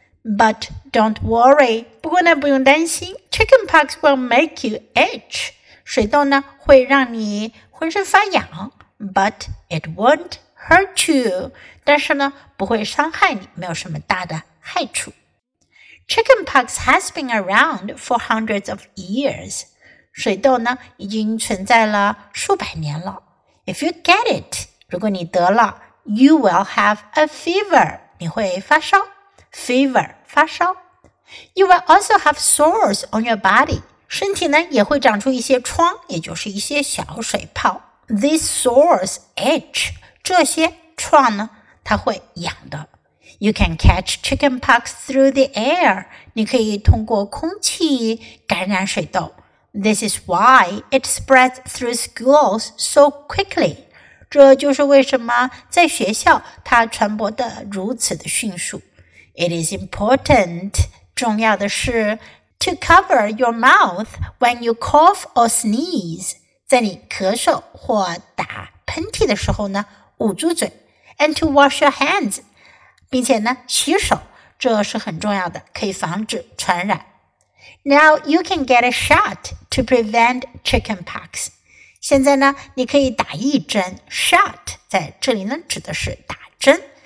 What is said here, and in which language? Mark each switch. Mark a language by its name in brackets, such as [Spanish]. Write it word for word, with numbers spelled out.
[English] But don't worry. 不过呢，不用担心 Chickenpox will make you itch. [Chinese] 水痘呢，会让你浑身发痒 But it won't hurt you. 但是呢，不会伤害你，没有什么大的害处。 [English] Chickenpox has been around for hundreds of years. [Chinese] 水痘呢，已经存在了数百年了。 [English] If you get it, 如果你得了 You will have a fever. 你会发烧 Fever, 发烧 You will also have sores on your body. [Chinese] 身体呢也会长出一些疮，也就是一些小水泡。 These sores itch. 这些疮呢它会痒的。 [English] You can catch chickenpox through the air. [Chinese] 你可以通过空气感染水痘。 [English] This is why it spreads through schools so quickly. [Chinese] 这就是为什么在学校它传播得如此的迅速。 [English] It is important, 重要的是 to cover your mouth when you cough or sneeze. [Chinese] 在你咳嗽或打喷嚏的时候呢，捂住嘴 and to wash your hands. 并且呢，洗手，这是很重要的，可以防止传染。 [English] Now you can get a shot to prevent chickenpox. [Chinese] 现在呢，你可以打一针 shot 在这里呢指的是打针。